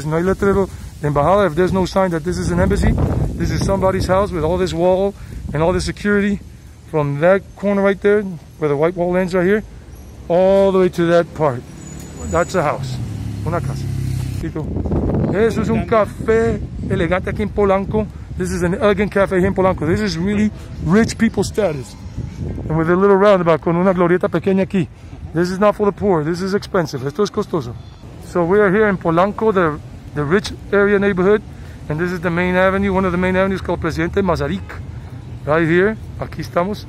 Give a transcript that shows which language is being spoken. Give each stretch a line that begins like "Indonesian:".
Spanish: Si no hay letrero de embajada,
English: if there's no sign that this is an embassy, this is somebody's house with all this wall and all the security from that corner right there, where the white wall ends right here, all the way to that part. That's a house.
Spanish: Una casa. Chico. Eso es un café elegante aquí en Polanco.
English: This is an elegant cafe here in Polanco. This is really rich people status. And with a little roundabout,
Spanish: con una glorieta pequeña aquí.
English: This is not for the poor. This is expensive.
Spanish: Esto es costoso.
English: So we are here in Polanco, the rich area neighborhood. And this is the main avenue. One of the main avenues called Presidente Masaryk. Right here.
Spanish: Aquí estamos.